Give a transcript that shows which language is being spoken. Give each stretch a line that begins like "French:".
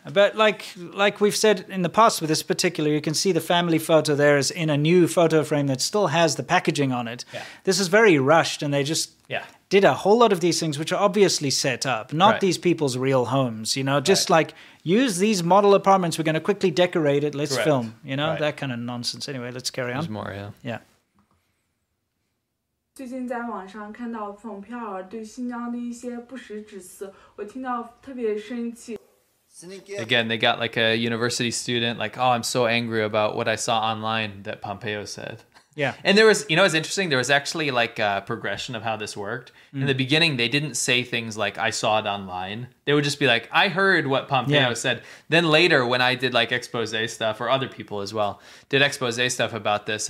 English: But like we've said in the past with this particular, you can see the family photo there is in a new photo frame that still has the packaging on it. Yeah. This is very rushed and they just... Yeah. Did a whole lot of these things, which are obviously set up, not these people's real homes, you know, just like use these model apartments. We're going to quickly decorate it. Let's film, you know, that kind of nonsense. Anyway, let's carry on. There's more, Yeah.
Chinese: 最近在网上看到蓬佩奥对新疆的一些不实指责，我听到特别生气。
English: Again, they got like a university student like, oh, I'm so angry about what I saw online that Pompeo said. Yeah. And there was, you know, it's interesting. There was actually like a progression of how this worked. Mm. In the beginning, they didn't say things like, I saw it online. They would just be like, I heard what Pompeo said. Then later, when I did like expose stuff, or other people as well, did expose stuff about this.